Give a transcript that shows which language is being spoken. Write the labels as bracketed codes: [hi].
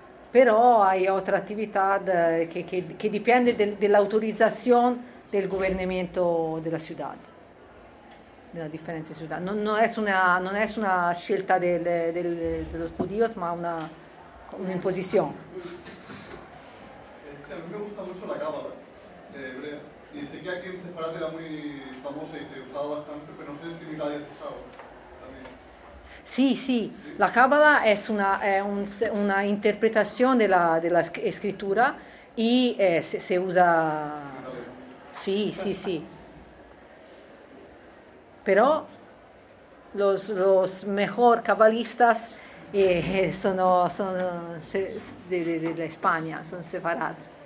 [it] Però hai altre attività che dipende dell'autorizzazione del governamento della città, della differente città. Non è una scelta dello judíos, ma un'imposizione. [es] A me gusta mucho la cábala hebrea. Y sé que aquí en Sefarad era muy famosa y se usaba bastante, pero no sé si en Italia se usaba también. Sí. La cábala es una interpretación de la escritura y se usa. Sí. Pero los mejores cabalistas. [it] Sono della Spagna, sono separati.